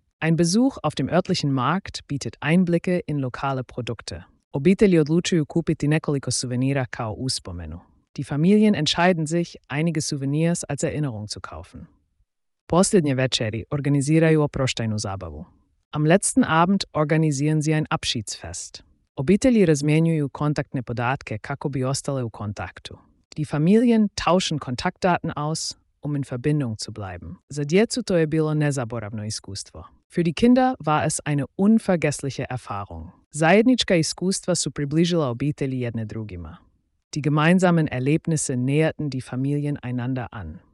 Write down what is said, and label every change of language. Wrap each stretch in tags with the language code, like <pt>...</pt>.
<de>Ein Besuch auf dem örtlichen Markt bietet Einblicke in lokale Produkte.</de> <hr>Obitelji odlučuju kupiti nekoliko suvenira kao uspomenu.</hr> <de>Die Familien entscheiden sich, einige Souvenirs als Erinnerung zu kaufen.</de> <hr>Posljednje večeri organiziraju oproštajnu zabavu.</hr> <de>Am letzten Abend organisieren sie ein Abschiedsfest.</de> <hr>Obitelji razmjenjuju kontaktne podatke kako bi ostale u kontaktu.</hr> <de>Die Familien tauschen Kontaktdaten aus, um in Verbindung zu bleiben.</de> <hr>Za djecu to je bilo nezaboravno iskustvo.</hr> <de>Für die Kinder war es eine unvergessliche Erfahrung.</de> <hr>Zajednička iskustva su približila obitelji jedne drugima.</hr> <de>Die gemeinsamen Erlebnisse näherten die Familien einander an.</de>